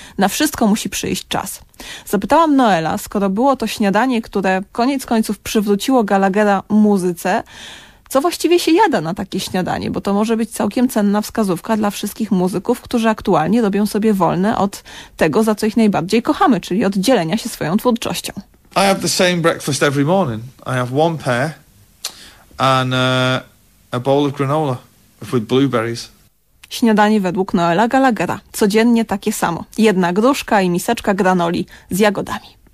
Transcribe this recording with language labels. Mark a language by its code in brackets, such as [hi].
[pl] Na wszystko musi przyjść czas. Zapytałam Noela, skoro było to śniadanie, które koniec końców przywróciło Gallaghera muzyce, co właściwie się jada na takie śniadanie, bo to może być całkiem cenna wskazówka dla wszystkich muzyków, którzy aktualnie robią sobie wolne od tego, za co ich najbardziej kochamy, czyli od dzielenia się swoją twórczością. [en] I have the same breakfast every morning. I have one pear and a bowl of granola with blueberries. [pl] Śniadanie według Noela Gallaghera. Codziennie takie samo. Jedna gruszka i miseczka granoli z jagodami.